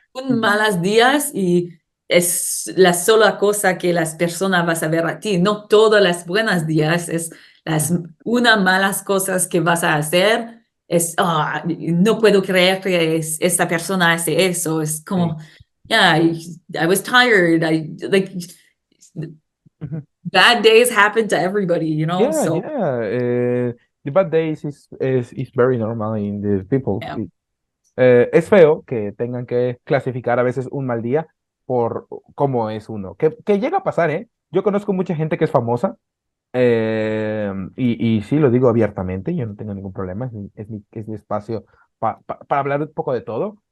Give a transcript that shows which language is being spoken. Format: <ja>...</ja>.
<es>un malos días y es la sola cosa que las personas vas a ver a ti, no todas las buenas días, es las una malas cosas que vas a hacer, es, oh, no puedo creer que esta persona hace eso, es como,</es> <en>yeah, I was tired, like, bad days happen to everybody, Ya, so. yeah, ya. Yeah. bad days is very normal in the people. Yeah.</en> <es>It, es feo que tengan que clasificar a veces un mal día por cómo es uno. Que llega a pasar, ¿eh? Yo conozco mucha gente que es famosa. Y sí, lo digo abiertamente, yo no tengo ningún problema, es mi espacio para hablar un poco de todo.</es>